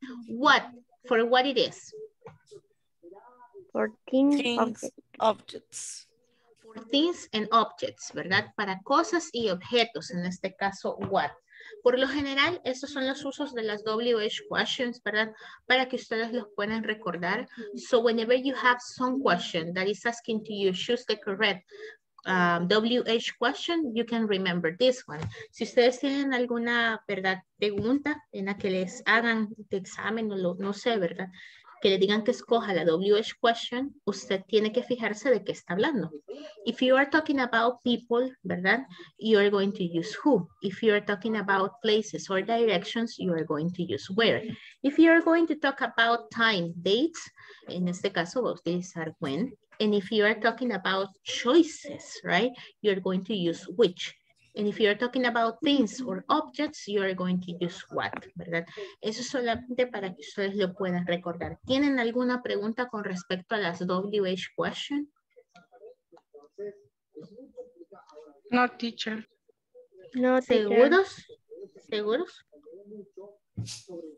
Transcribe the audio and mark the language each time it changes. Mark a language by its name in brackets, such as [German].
[English] What, for what it is? For things, objects. For things and objects, [Spanish] ¿verdad? Para cosas y objetos, en este caso, what. Por lo general, estos son los usos de las WH questions, ¿verdad? Para que ustedes los puedan recordar. [English] So whenever you have some question that is asking to you, choose the correct WH question, you can remember this one. [Spanish] Si ustedes tienen alguna, ¿verdad?, pregunta en la que les hagan de examen o no sé, ¿verdad?, que le digan que escoja la WH question, usted tiene que fijarse de qué está hablando. [English] If you are talking about people, ¿verdad?, you are going to use who. If you are talking about places or directions, you are going to use where. If you are going to talk about time, dates, [Spanish] en este caso va a utilizar when. [English] And if you are talking about choices, right, you're going to use which. And if you're talking about things or objects, you're going to use what, ¿verdad? [Spanish] Eso es solamente para que ustedes lo puedan recordar. ¿Tienen alguna pregunta con respecto a las WH question? [English] No, teacher. No, teacher. [Spanish] ¿Seguros? ¿Seguros?